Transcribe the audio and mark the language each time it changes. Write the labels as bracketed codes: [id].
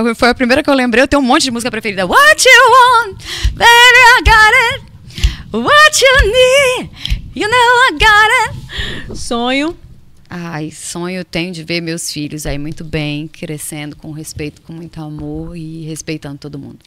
[pt] Foi a primeira que eu lembrei. Eu tenho um monte de música preferida. [en] What you want, baby, I got it. What you need, you know I got it. [pt] Sonho. Ai, sonho eu tenho de ver meus filhos aí muito bem, crescendo com respeito, com muito amor e respeitando todo mundo.